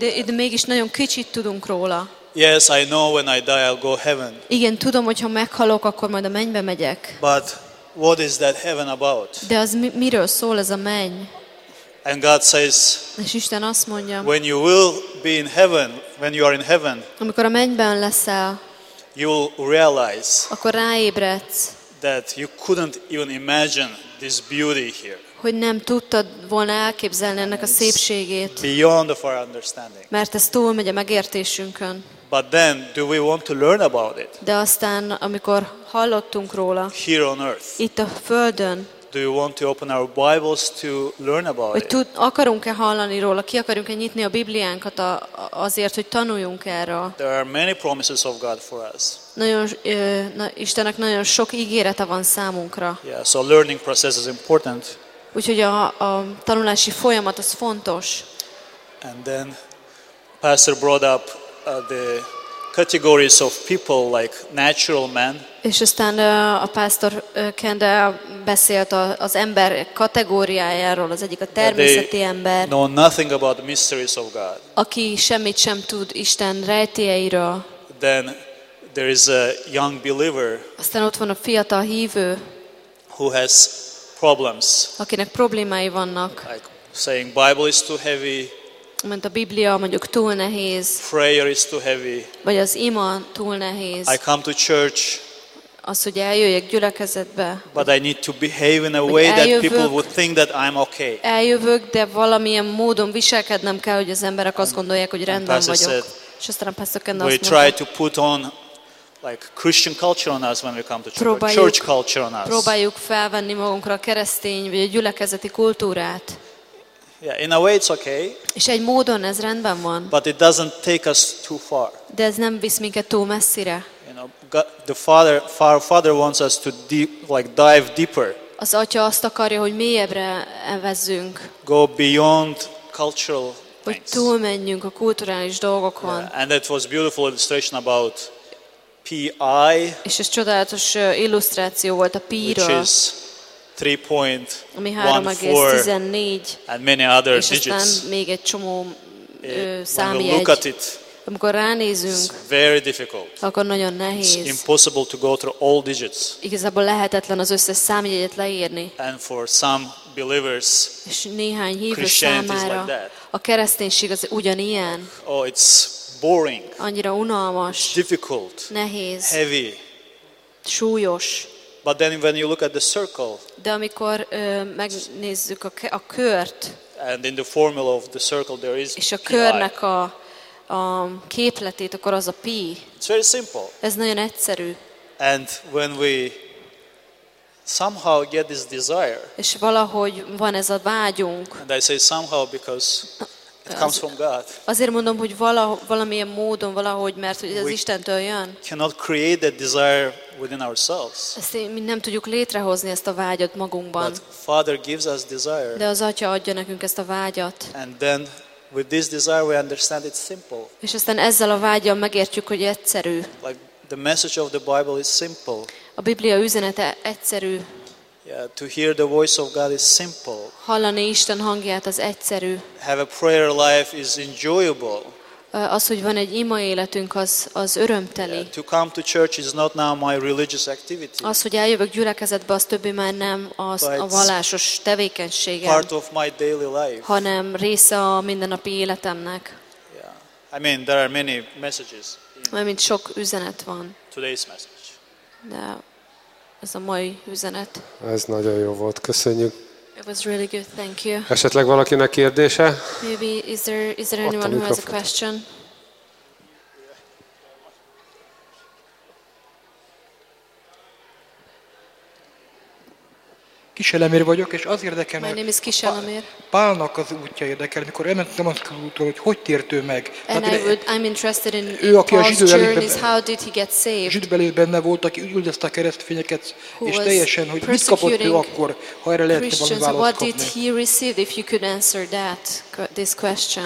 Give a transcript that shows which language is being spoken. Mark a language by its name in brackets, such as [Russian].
[Hungarian] de, de mégis nagyon kicsit tudunk róla. [English] Yes, I know when I die I'll go heaven. [Hungarian] Igen, tudom, hogy ha meghalok, akkor majd a mennybe megyek. [English] But what is that heaven about? [Hungarian] De az miről szól ez a menny? [English] And God says, [Hungarian] és Isten azt mondja, [English] when you will be in heaven, when you are in heaven, [Hungarian] amikor a mennyben leszel, [English] you'll realize, [Hungarian] akkor ráébredsz, [English] that you couldn't even imagine this beauty here. [Hungarian] Hogy nem tudtad volna elképzelni ennek a szépségét. [English] Beyond of our understanding. [Hungarian] Mert ez túlmegy a megértésünkön. [English] But then, do we want to learn about it? [Hungarian] De aztán, amikor hallottunk róla, [English] here on earth, [Hungarian] itt a Földön, [English] do you want to open our Bibles to learn about [Hungarian] it? Akarunk-e hallani róla? Ki akarunk-e nyitni a Bibliánkat azért, hogy tanuljunk erről? [English] There are many promises of God for us. [Hungarian] Istennek nagyon sok ígérete van számunkra. [English] Yeah, so learning process is important. [Hungarian] Úgyhogy a tanulási folyamat az fontos. [English] And then pastor brought up the categories of people like natural man. [Hungarian] És aztán a pastor Kendall beszélt az ember kategóriájáról, az egyik a természeti ember. [English] Know nothing about the mysteries of God. [Hungarian] Aki semmit sem tud Isten rejtélyeiről. [English] Then there is a young believer. [Hungarian] Aztán ott van a fiatal hívő. [English] Who has problems. [Hungarian] Akinek problémái vannak. [English] Like saying Bible is too heavy. [Hungarian] Mert a Biblia mondjuk túl nehéz. [English] Prayer is too heavy. [Hungarian] Vagy az ima túl nehéz. [English] I come to church. [Hungarian] Az, hogy eljöjjek gyülekezetbe. [English] But I need to behave in a way that people would think that I'm okay. [Hungarian] Eljövök, de valamilyen módon viselkednem kell, hogy az emberek azt gondolják, hogy rendben [English] and [Hungarian] vagyok. [English] Said, [Hungarian] és aztán a pastor Ken azt mondta. [English] We try to put on like Christian culture on us when we come to church. Church culture on us. [Hungarian] Próbáljuk felvenni magunkra a keresztény vagy a gyülekezeti kultúrát. [English] Yeah, in a way it's okay. [Hungarian] És egy módon ez rendben van. [English] But it doesn't take us too far. [Hungarian] De ez nem visz minket túl messzire. [English] You know, God, the Father wants us to dive deeper. [Hungarian] Az Atya azt akarja, hogy mélyebbre evezzünk. [English] Go beyond cultural things. [Hungarian] Hogy túlmenjünk a kulturális dolgokon. [English] Yeah, and that was beautiful illustration about PI. [Hungarian] És ez csodálatos illusztráció volt a P-ről. [English] 3.14 and many other digits. [Hungarian] És aztán még egy csomó számjegy. [English] When we look at it, [Hungarian] amikor ránézünk, [English] it's very difficult. [Hungarian] Akkor nagyon nehéz. [English] It's impossible to go through all digits. [Hungarian] Igazából lehetetlen az összes számjegyet leírni. [English] And for some believers, [Hungarian] és néhány hívő számára, a kereszténység az ugyanilyen. [English] Oh, it's boring. [Hungarian] Annyira unalmas. [English] It's difficult. [Hungarian] Nehéz. [English] Heavy. [Hungarian] Súlyos. [English] But then when you look at the circle. [Hungarian] De amikor megnézzük a kört. [English] And in the formula of the circle there is. [Hungarian] És a körnek a képletét, akkor az a pi. [English] It's very simple. [Hungarian] Ez nagyon egyszerű. [English] And when we somehow get this desire. [Hungarian] És valahogy van ez a vágyunk. [English] And I say somehow because it comes from God. [Hungarian] Azért mondom, hogy valamilyen módon, valahogy, mert hogy ez [English] we [Hungarian] Istentől jön. [English] Cannot create that desire within ourselves. [Hungarian] Ezt mi nem tudjuk létrehozni ezt a vágyat magunkban. [English] But Father gives us desire. [Hungarian] De az Atya adja nekünk ezt a vágyat. [English] And then with this desire we understand it's simple. [Hungarian] És aztán ezzel a vágyal megértjük, hogy egyszerű. [English] Like the message of the Bible is simple. [Hungarian] A Biblia üzenete egyszerű. [English] Yeah, to hear the voice of God is simple. [Hungarian] Hallani Isten hangját az egyszerű. [English] Have a prayer life is enjoyable. [Hungarian] Az, hogy van egy ima életünk, az örömteli. [English] Yeah, to come to church is not now my religious activity. [Hungarian] Az, hogy eljövök gyülekezetbe, az többi már nem az a vallásos tevékenységem. [English] Part of my daily life. [Hungarian] Hanem része a mindennapi életemnek. [English] Yeah. I mean there are many messages. [Hungarian] Mert sok üzenet van. [English] Today's message. [Hungarian] De ez a mai üzenet. Ez nagyon jó volt. Köszönjük. [English] It was really good. Thank you. [Hungarian] Esetleg valakinek kérdése? [English] Maybe is there anyone who has a question? [Hungarian] Kiselemér vagyok, és az érdekel, [English] my name is Kiselemér. [Hungarian] Pálnak az útja érdekel, mikor elment Damaszkus útról, hogy hogy tért ő meg. [English] I'm interested in Paul's journey, how did he get saved? [Hungarian] Zsidbelül benne volt, aki üldözte a keresztfényeket, és teljesen, hogy mit kapott ő akkor, ha erre lehet valami választ kapni. [English] What did he receive, if you could answer that, this question?